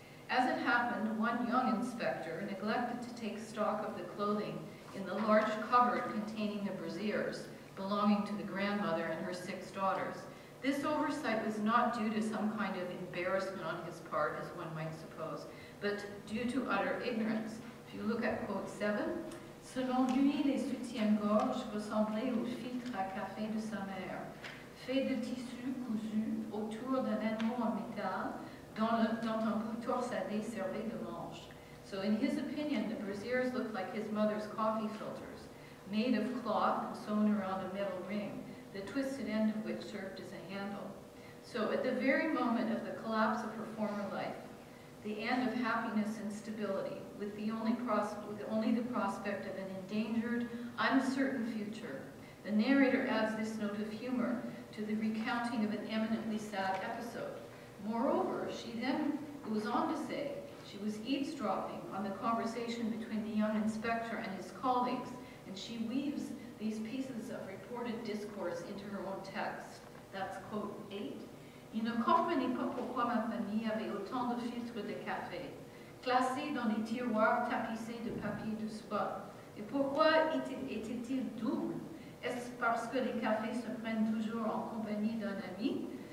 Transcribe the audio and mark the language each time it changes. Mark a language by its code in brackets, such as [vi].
[en] As it happened, one young inspector neglected to take stock of the clothing in the large cupboard containing the brassieres belonging to the grandmother and her six daughters. This oversight was not due to some kind of embarrassment on his part, as one might suppose, but due to utter ignorance. If you look at quote 7, [fr] selon lui, les soutiens-gorge ressemblaient au filtre à café de sa mère, fait de tissu cousu autour d'un anneau en métal dans un bout torsadé servi de manche. [en] So in his opinion, the brassieres looked like his mother's coffee filters, made of cloth and sewn around a metal ring, the twisted end of which served as a handle. So at the very moment of the collapse of her former life, the end of happiness and stability, with only the prospect of an endangered, uncertain future. The narrator adds this note of humor to the recounting of an eminently sad episode. Moreover, she then goes on to say she was eavesdropping on the conversation between the young inspector and his colleagues, and she weaves these pieces of reported discourse into her own text. That's quote 8. [fr] Il ne comprenait pas pourquoi ma famille avait autant de filtres de café, classés dans des tiroirs tapissés de papier de soie. Et pourquoi était-il double? Est-ce parce que les cafés se prennent toujours en compagnie d'un ami?